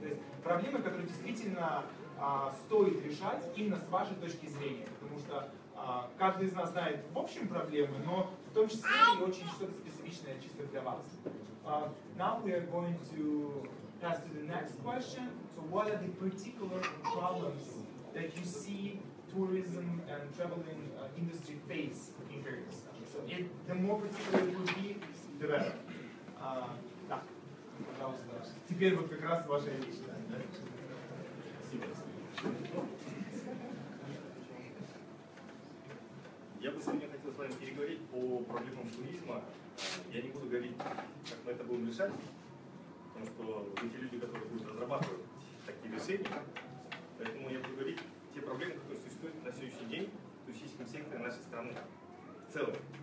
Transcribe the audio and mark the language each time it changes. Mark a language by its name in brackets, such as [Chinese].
[Russian] То есть проблемы, которые действительно стоит решать именно с вашей точки зрения. Потому что каждый из нас знает в общем проблемы, но в том числе и очень что-то специфичное чисто для вас. [English] Now we are going to pass to the next question. So what are the particular problems that you see tourism and traveling industry face in Kyrgyzstan? So it, the more particular it would be, the better. [Russian] Да, пожалуйста. Теперь вот как раз ваша речь. Спасибо. Я бы сегодня хотел с вами переговорить по проблемам туризма. Я не буду говорить, как мы это будем решать, потому что эти люди, которые будут разрабатывать такие решения, поэтому я буду говорить те проблемы, которые существуют на сегодняшний день в туристическом секторе нашей страны в целом.